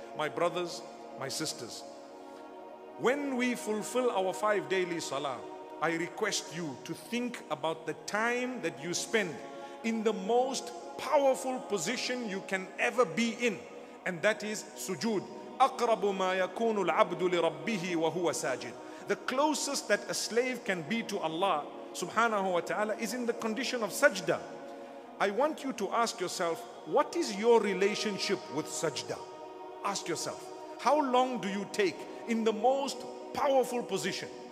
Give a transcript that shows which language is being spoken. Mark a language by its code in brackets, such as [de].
[en] My brothers, my sisters, when we fulfill our 5 daily salah, I request you to think about the time that you spend in the most powerful position you can ever be in, and that is sujood. [ar] أقرب ما يكون العبد لربه وهو ساجد. [en] The closest that a slave can be to Allah subhanahu wa ta'ala is in the condition of sajda. I want you to ask yourself, what is your relationship with sajda? Ask yourself, how long do you take in the most powerful position?